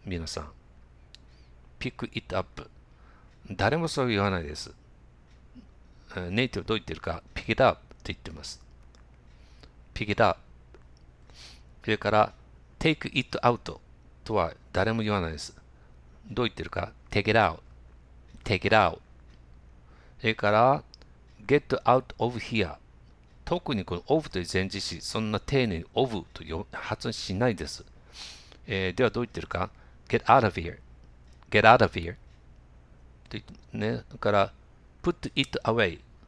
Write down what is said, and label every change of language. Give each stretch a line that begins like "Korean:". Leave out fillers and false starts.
Japanese: 皆さんピックイットアップ、誰もそう言わないです。ネイティブどう言ってるか、ピックイットアップと言ってます。ピックイットアップ、それからテイクイットアウトとは誰も言わないです。どう言ってるか、テイクイットアウト、 Take it out。
English: それから Get out of here。
Japanese: 特にこの of という前置詞、そんな丁寧に of と発音しないです。ではどう言ってるか、 Get out of here、 Get out of here と言って、ね、だから Put it away。